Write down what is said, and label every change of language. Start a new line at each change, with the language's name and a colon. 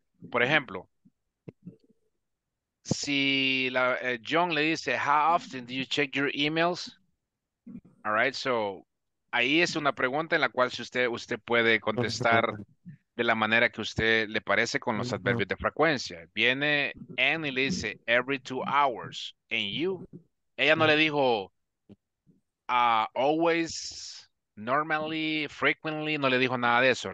Spanish: Por ejemplo, si John le dice,
English: how often do you check your emails?
Spanish: All right, so ahí es una pregunta en la cual si usted puede contestar de la manera que usted le parece con los adverbios de frecuencia. Viene Ann y le dice,
English: every 2 hours, and you?
Spanish: Ella no le dijo,
English: always, normally, frequently,
Spanish: no le dijo nada de eso.